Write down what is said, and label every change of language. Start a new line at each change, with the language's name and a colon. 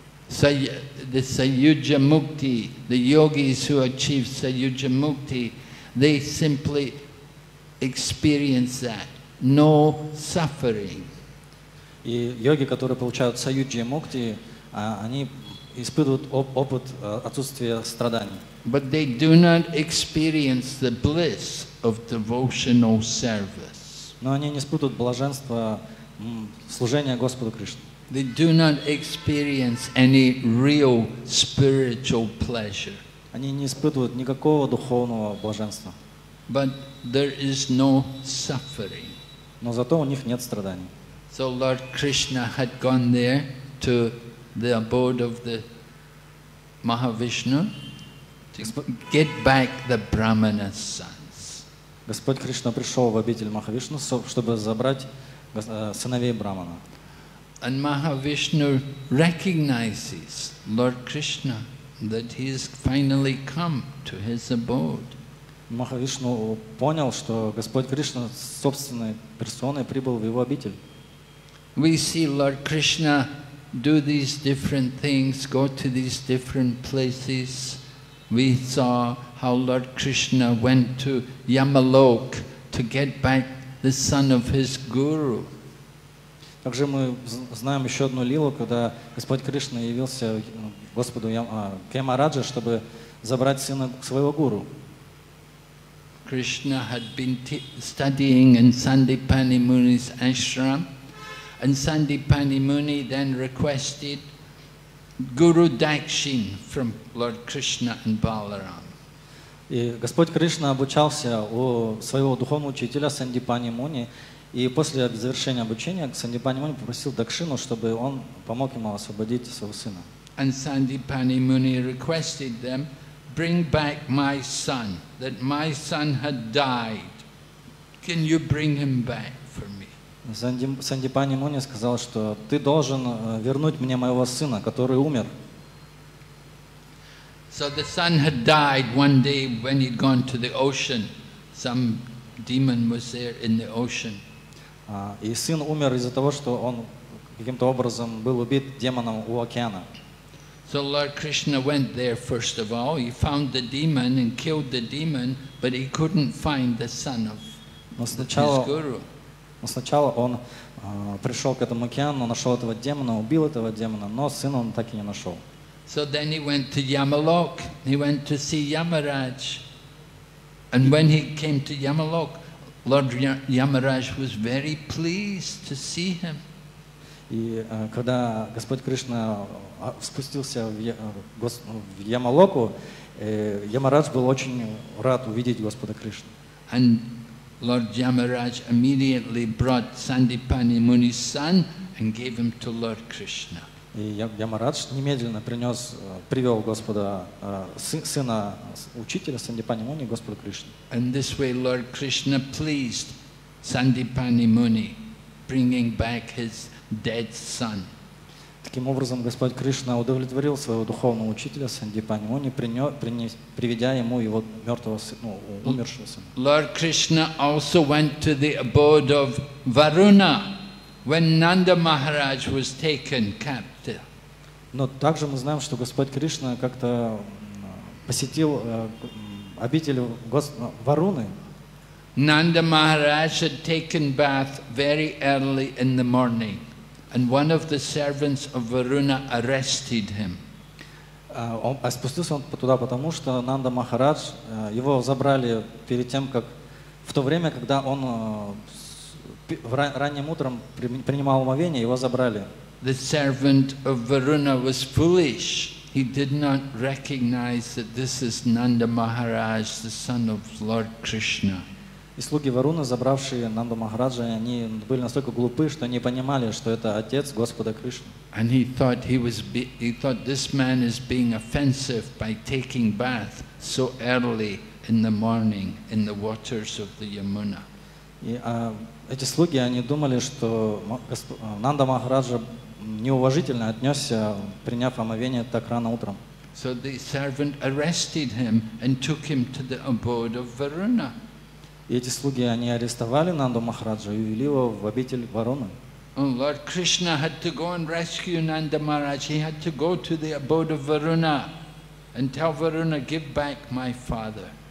English: The Sayujya Mukti, the yogis who achieve Sayujya Mukti, they simply experience that. No suffering.
Russian: И йоги, которые получают Sayujya Mukti, они испытывают опыт отсутствия страданий.
English: But they do not experience the bliss of devotional service.
Russian: Но они не испытывают блаженство служения Господу Кришне.
English: They do not experience any real spiritual pleasure.
Russian: Они не испытывают никакого духовного блаженства.
English: But there is no suffering.
Russian: Но зато у них нет страданий.
English: So Lord Krishna had gone there to the abode of the Mahavishnu to get back the Brahmana's sons.
Russian: Господь Кришна пришел в обитель Махавишну, чтобы забрать сыновей Брахмана.
English: And Mahavishnu recognizes Lord Krishna that he has finally come to his abode.
Russian: Mahavishnu понял, что Господь Кришна собственной персоной прибыл в его обитель.
English: We see Lord Krishna do these different things, go to these different places. We saw how Lord Krishna went to Yamalok to get back the son of his guru.
Russian: Также мы знаем еще одну лилу, когда Господь Кришна явился Господу Ямараджа, чтобы забрать сына своего гуру.
English: Krishna had been studying in Sandipani Muni's ashram, and Sandipani Muni then requested Guru Dakshin from Lord Krishna and Balaram.
Russian: И Господь Кришна обучался у своего духовного учителя Сандипани Муни. И после завершения обучения Сандипани Муни попросил Дакшину, чтобы он помог ему освободить своего сына.
English: And Sandipani Muni requested them, bring back my son, that my son had died. Can you bring him back for me?
Russian: Сандипани Муни сказал, что ты должен вернуть мне моего сына, который умер.
English: So the sun had died one day when he'd gone to the ocean. Some demon was there in the ocean.
Russian: И сын умер из-за того, что он каким-то образом был убит демоном у океана.
English: So Lord Krishna went there first of all. He found the demon and killed the demon, but he couldn't find the son of his guru.
Russian: Но сначала он пришел к этому океану, нашел этого демона, убил этого демона, но сына он так и не нашел.
English: So then he went to Yamalok. He went to see Yamaraj. And when he came to Yamalok, Lord Yamaraj was very pleased to see him.
Russian: И когда Господь Кришна спустился в Ямалоку, Ямарадж был очень рад увидеть Господа Кришну.
English: And Lord Yamaraj immediately brought Sandipani Muni's son and gave him to Lord Krishna.
Russian: И Ямарадж немедленно принес, привел Господа, сына учителя Сандипани Муни, Господа Кришны.
English: And this way Lord Krishna pleased Sandipani Muni, bringing back his dead son.
Russian: Таким образом, Господь Кришна удовлетворил своего духовного учителя Сандипани Муни, приведя ему его мертвого сына, умершего сына.
English: Lord Krishna also went to the abode of Varuna when Nanda Maharaj was taken captive.
Russian: Но также мы знаем, что Господь Кришна как-то посетил обитель Варуны.
English: Nanda Maharaj had taken bath very early in the morning. And one of the servants of Varuna arrested him.
Russian: Спустился он туда, потому что Нанда Махарадж его забрали перед тем, как в то время, когда он ранним утром принимал омовение, его забрали.
English: The servant of Varuna was foolish. He did not recognize that this is Nanda Maharaj, the son of Lord Krishna.
Russian: И слуги Варуны, забравшие Нанду Махараджа, они были настолько глупы, что не понимали, что это отец Господа Кришны.
English: And he thought this man is being offensive by taking bath so early in the morning in the waters of the Yamuna.
Russian: И эти слуги, они думали, что Нанда Махараджа неуважительно отнесся, приняв омовение так рано утром.
English: So the servant arrested him and took him to the abode of Varuna.
Russian: И эти слуги, они арестовали Нанду Махараджа и увели его в обитель Варуны.
English: Lord Krishna had to go and rescue Nanda Maharaj. He had to go to the abode of Varuna and tell Varuna, give back my father.